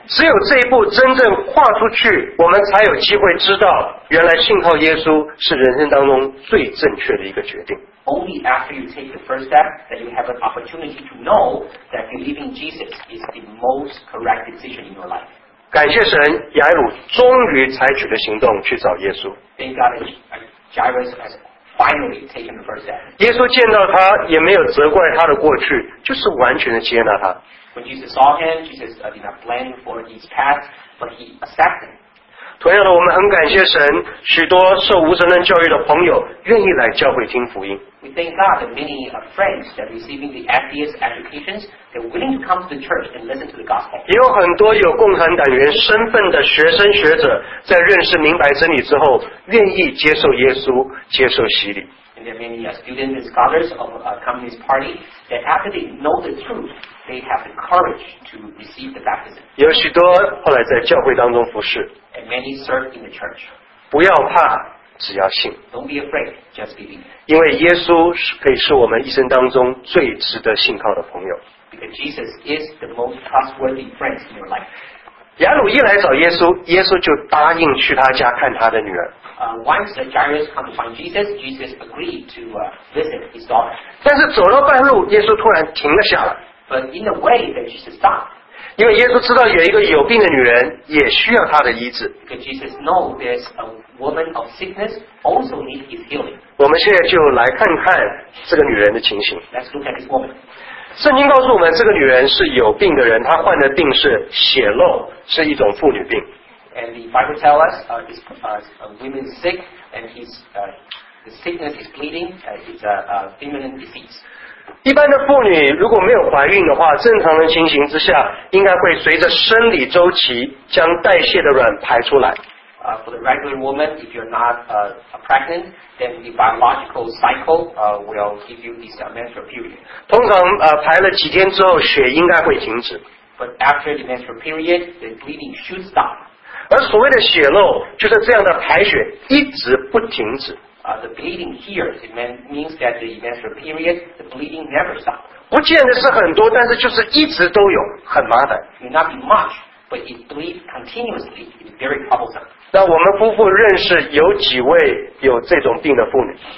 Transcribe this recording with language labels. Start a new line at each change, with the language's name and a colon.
Chinese: 只有这一步真正跨出去，我们才有机会知道，原来信靠耶稣是人生当中最正确的一个决定。
English: Only after you take the first step that you have an opportunity to know that believing Jesus is the most correct decision in your life.
Chinese: 感谢神，雅鲁终于采取了行动去找耶稣。
English: Thank God, Jairus has finally taken the first step.
Chinese: 耶稣见到他也没有责怪他的过去，就是完全的接纳他。
English: When Jesus saw him, Jesus did not blame for his past, but he accepted him.
Chinese: 同样的，我们很感谢神，许多受无神论教育的朋友愿意来教会听福音。
English: We thank God that many friends that are receiving the atheist educations, they're willing to come to the church and listen to the gospel.
Chinese: 也有很多有共产党员身份的学生学者，在认识明白真理之后，愿意接受耶稣，接受洗礼。
English: And there are many students and scholars of a Communist Party that after they know the truth, they have the courage to receive the baptism.
Chinese: 有许多后来在教会当中服事。
English: And many serve in the church.
Chinese: 不要怕，只要信。
English: Don't be afraid, just believe.
Chinese: 因为耶稣是可以是我们一生当中最值得信靠的朋友。
English: Because Jesus is the most trustworthy friend in your life.
Chinese: 雅鲁一来找耶稣，耶稣就答应去他家看他的女儿。
English: Once the Jairus come to find Jesus, Jesus agreed to visit his daughter.
Chinese: 但是走到半路，耶稣突然停了下来。
English: But in a way that Jesus stopped.
Chinese: 因为耶稣知道有一个有病的女人也需要他的医治。
English: Because Jesus knows there's a woman of sickness also needs his healing.
Chinese: 我们现在就来看看这个女人的情形。
English: Let's look at this woman.
Chinese: 圣经告诉我们，这个女人是有病的人，她患的病是血漏，是一种妇女病。
English: And the Bible tells us this woman is sick, and the sickness is bleeding. It's a feminine disease.
Chinese: 一般的妇女如果没有怀孕的话，正常的情形之下，应该会随着生理周期将代谢的卵排出来。
English: For the regular woman, if you're not pregnant, then the biological cycle will give you this menstrual period.
Chinese: 通常排了几天之后，血应该会停止。
English: But after the menstrual period, the bleeding should stop.
Chinese: 而所谓的血漏，就是这样的排血一直不停止。
English: The bleeding here it means that the menstrual period, the bleeding never stops.
Chinese: 不见得是很多，但是就是一直都有，很麻烦。
English: It may not be much, but it bleeds continuously. It's very troublesome.
Chinese: 那我们夫妇认识有几位有这种病的妇女？